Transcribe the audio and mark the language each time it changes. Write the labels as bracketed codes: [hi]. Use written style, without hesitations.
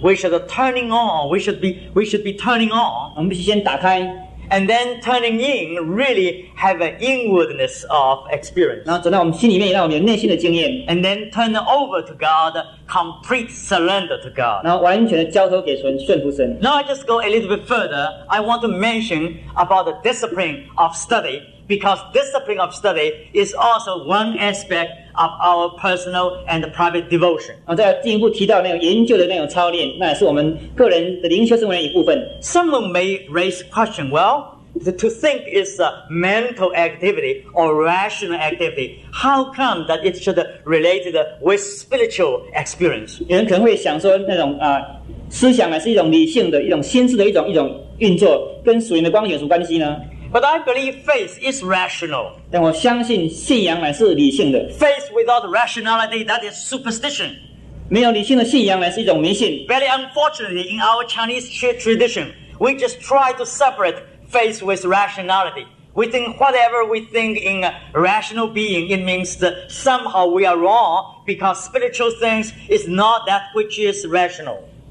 [en] We should turning on. We should be turning on. [zh] 我们必须先打开。 [en] And then turning in really have an inwardness of experience. [zh] 然后转到我们心里面，让我们有内心的经验。 [en] And then turn over to God, complete surrender to God. [zh] 然后完全的交托给神，顺服神。 [en] Now I just go a little bit further. I want to mention about the discipline of study Because discipline of study is also one aspect of our personal and private devotion. [zh] 再进一步提到那种研究的那种操练, 那也是我们个人的灵修生活的一部分。 [en] Someone may raise question, well, to think is a mental activity or rational activity. How come that it should relate with spiritual experience? [zh] 有人可能会想说那种, 思想是一种理性的、一种心智的一种运作, 跟属灵的光有什么关系呢？ [en] But I believe faith is rational. [zh] 但我相信信仰乃是理性的。 [en] Faith without rationality, that is superstition. [zh] 没有理性的信仰乃是一种迷信。 [en] Very unfortunately, in our Chinese tradition, we just try to separate faith with rationality. We think whatever we think in a rational being, it means that somehow we are wrong because spiritual things is not that which is rational.